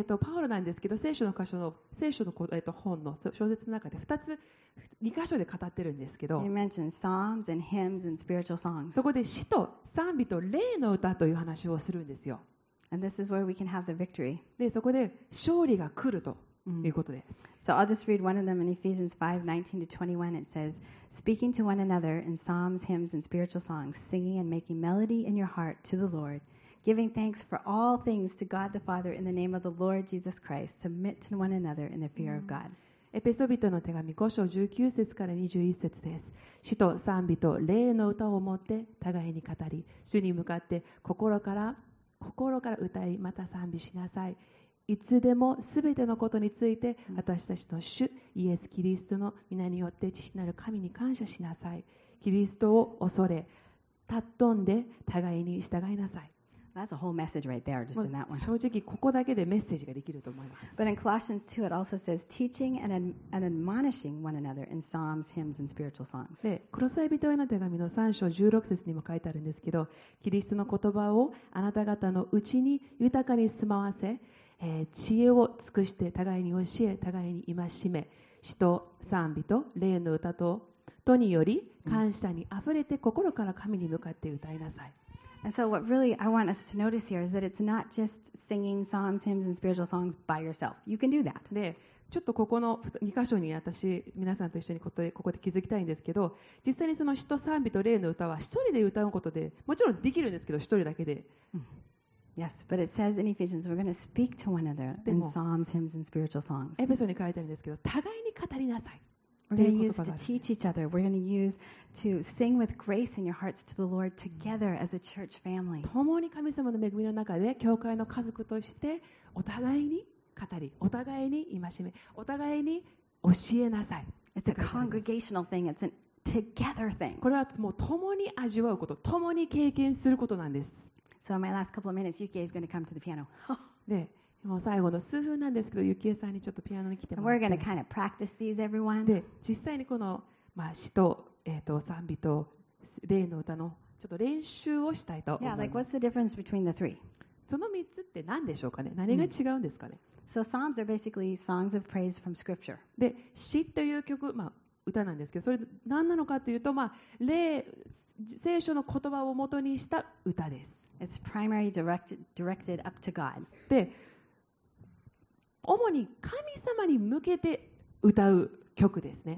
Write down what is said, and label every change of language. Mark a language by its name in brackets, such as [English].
[Japanese] パウロなんですけど、聖書の本の小説の中で2箇所で語ってるんですけど。 [English] He mentioned psalms and hymns and spiritual songs. [Japanese] そこで詩と賛美と霊の歌という話をするんですよ。 [English] And this is where we can have the victory. [Japanese] で、そこで勝利が来るということです。 [English] So I'll just read one of them in Ephesians 5:19-21. It says, "Speaking to one another in psalms, hymns, and spiritual songs, singing and making melody in your heart to the Lord." Giving thanks for all things to God the Father in the name of the Lord Jesus Christ. Submit to one another in the fear of God. [Japanese] エペソ人の手紙5章19節から21節です。詩と賛美と霊の歌を持って互いに語り、主に向かって心から歌い、また賛美しなさい。いつでもすべてのことについて、私たちの主イエス・キリストの御名によって父なる神に感謝しなさい。キリストを恐れ、尊んで互いに従いなさい。 [English] That's a whole message right there, just in that one. [Japanese] 正直ここだけでメッセージができると思います。 [English] But in Colossians 2, it also says teaching and admonishing one another in psalms, hymns, and spiritual songs. [Japanese] で、コロサイ人への手紙の3章16節にも書いてあるんですけど、キリストの言葉をあなた方のうちに豊かに住まわせ、知恵を尽くして互いに教え、互いに戒め、詩と賛美と霊の歌とにより感謝にあふれて心から神に向かって歌いなさい。 [English] And so what really I want us to notice here is that it's not just singing psalms, hymns, and spiritual songs by yourself. You can do that. [Japanese] で、ちょっとここの2箇所に私、皆さんと一緒にここで気づきたいんですけど、実際にその詩と賛美と霊の歌は一人で歌うことで、もちろんできるんですけど、一人だけで。 [English] Yes, but it says in Ephesians we're going to speak to one another in psalms, hymns, and spiritual songs. [Japanese] エペソに書いてあるんですけど、互いに語りなさい。 [English] We're going to use to teach each other. We're going to use to sing with grace in your hearts to the Lord together as a church family. [Japanese] 共に神様の恵みの中で教会の家族としてお互いに語り、お互いに戒め、お互いに教えなさい。 [English] It's a congregational thing. It's a together thing. [Japanese] これはもう共に味わうこと、共に経験することなんです。 [English] So in my last couple of minutes, UK is going to come to the piano. [Japanese] で、もう最後の数分なんですけど、ゆきえさんにちょっとピアノに来てもらって。 [English] We're gonna kind of practice these, everyone. [Japanese] で、実際にこの、まあ、詩と、賛美と例の歌のちょっと練習をしたいと思います。 [English] Yeah, like what's the difference between the three? [Japanese] その3つって何でしょうかね。何が違うんですかね。 [English] So psalms are basically songs of praise from scripture. [Japanese] で、詩という曲、まあ歌なんですけど、それ何なのかというと、まあ、聖書の言葉を元にした歌です。 [English] It's primarily directed up to God. [Japanese] で、主に神様に向けて歌う曲ですね。